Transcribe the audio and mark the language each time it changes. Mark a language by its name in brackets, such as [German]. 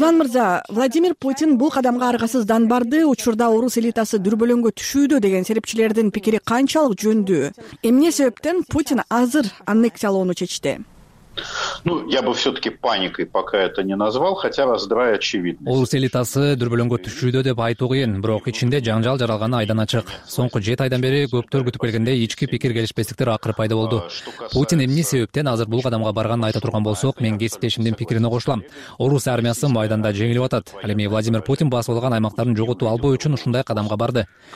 [Kyrgyz] Иван мырза, Владимир Путин бул кадамга аргасыздан барды, учурда орус элитасы дүрбөлөңгө түшүүдө деген серепчилердин пикири канчалык жөндүү? Эмне себептен Путин азыр аннексиялоону чечти? [Russian] Ну, я бы все-таки паникой пока это не назвал, хотя раздрай очевидность. [Kyrgyz] Орус элитасы дүрбөлөңгө түшүүдө деп айтуу кыйын, бирок ичинде жаңжал жаралганы айдан ачык. Соңку 7 айдан бери көптөр күтүп келгендей ички пикир келишпестиктер акыры пайда болду. Путин эмне себептен азыр бул кадамга барганын айта турган болсок, мен кесиптешимдин пикирине кошулам. Орус армиясы майданда жеңилип атат. Ал эми Владимир Путин басып алган аймактарын жоготуп албоо үчүн ушундай кадамга барды.